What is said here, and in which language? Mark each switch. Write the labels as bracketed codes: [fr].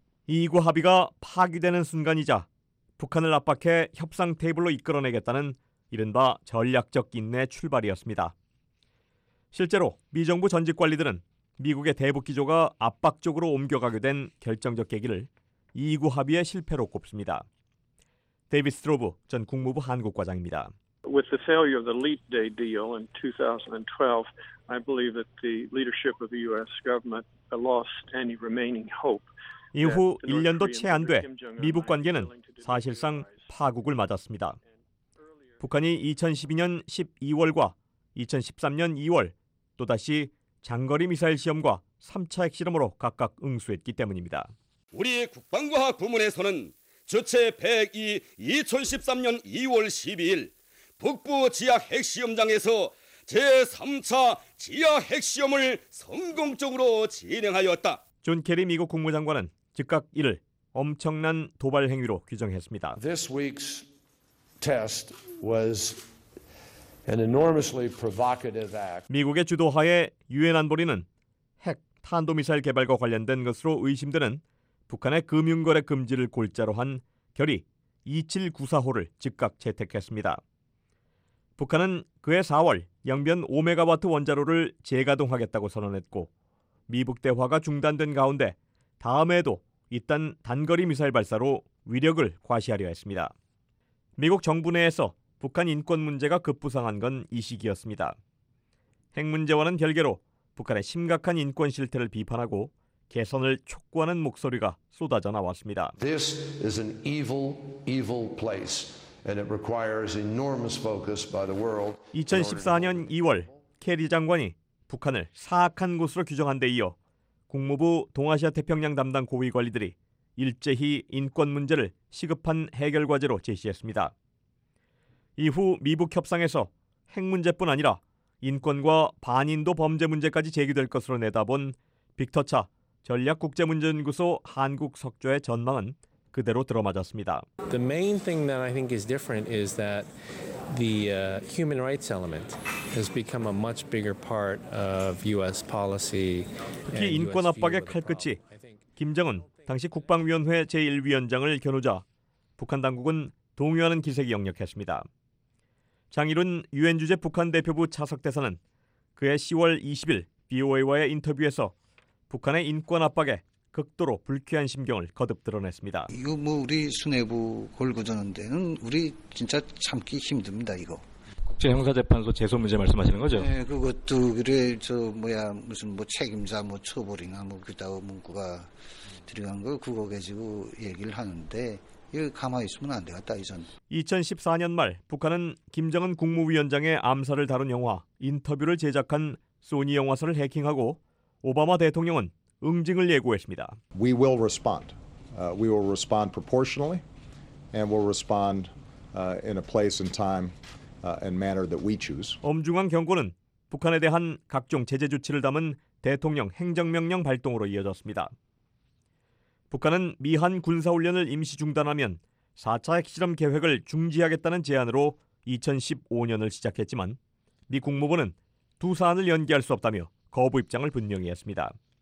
[ko] 2구 합의가 파기되는 순간이자 북한을 압박해 협상 테이블로 이끌어내겠다는 이른바 전략적 인내 출발이었습니다. 실제로 미정부 전직 관리들은 미국의 대북 기조가 압박 쪽으로 옮겨가게 된 결정적 계기를 2구 합의의 실패로 꼽습니다. 데이비드 스트로브 전 국무부 한국 과장입니다. [en] With the failure of the Leap Day deal in 2012, I believe that the leadership of the US government lost any remaining hope. [ko] 이후 1년도 채 안 돼 미북 관계는 사실상 파국을 맞았습니다. 북한이 2012년 12월과 2013년 2월 또다시 장거리 미사일 시험과 3차 핵실험으로 각각 응수했기 때문입니다. 우리 국방과학 부문에서는 주체 102 2013년 2월 12일 북부 지하 핵시험장에서 제3차 지하 핵시험을 성공적으로 진행하였다. 존 케리 미국 국무장관은 즉각 이를 엄청난 도발 행위로 규정했습니다. [en] This week's test was an enormously provocative act. [ko] 미국의 주도하에 유엔 안보리는 핵 탄도 미사일 개발과 관련된 것으로 의심되는 북한의 금융거래 금지를 골자로 한 결의 2794호를 즉각 채택했습니다. 북한은 그해 4월 영변 5메가와트 원자로를 재가동하겠다고 선언했고 미북 대화가 중단된 가운데 다음에도 이딴 단거리 미사일 발사로 위력을 과시하려 했습니다. 미국 정부 내에서 북한 인권 문제가 급부상한 건 이 시기였습니다. 핵 문제와는 별개로 북한의 심각한 인권 실태를 비판하고 개선을 촉구하는 목소리가 쏟아져 나왔습니다. [en] This is an evil, evil place, and it requires enormous focus by the world. [ko] 2014년 2월 케리 장관이 북한을 사악한 곳으로 규정한 데 이어 국무부 동아시아 태평양 담당 고위 관리들이 일제히 인권 문제를 시급한 해결 과제로 제시했습니다. 이후 미북 협상에서 핵 문제뿐 아니라 인권과 반인도 범죄 문제까지 제기될 것으로 내다본 빅터 차 전략국제문제연구소 한국 석좌의 전망은 그대로 들어맞았습니다. [en] The main thing that I think is different is that the human rights element has become a much bigger part of U.S. policy. [ko] 특히 인권 압박의 칼끝이 김정은 당시 국방위원회 제1위원장을 겨누자 북한 당국은 동요하는 기색이 역력했습니다. 장일훈 유엔 주재 북한 대표부 차석 대사는 그해 10월 20일 BOA와의 인터뷰에서 북한의 인권 압박에 극도로 불쾌한 심경을 거듭 드러냈습니다. 이거 뭐 우리 수뇌부 골고드는 데는 우리 진짜 참기 힘듭니다 이거. 국제 형사재판소 제소 문제 말씀하시는 거죠? 네, 그것도 그래 저 뭐야 무슨 뭐 책임자 뭐 처벌이나 뭐 그따위 문구가 들어간 걸 그거 가지고 얘기를 하는데 이거 가만히 있으면 안 되겠다 이전. 2014년 말 북한은 김정은 국무위원장의 암살을 다룬 영화 인터뷰를 제작한 소니 영화사를 해킹하고 오바마 대통령은 응징을 예고했습니다. [en] We will respond. We will respond proportionally and we'll respond in a place and time and manner that we choose. [ko] 엄중한 경고는 북한에 대한 각종 제재 조치를 담은 대통령 행정명령 발동으로 이어졌습니다. 북한은 미한 군사 훈련을 임시 중단하면 4차 핵실험 계획을 중지하겠다는 제안으로 2015년을 시작했지만 미 국무부는 두 사안을 연계할 수 없다며 거부 입장을 분명히 했습니다.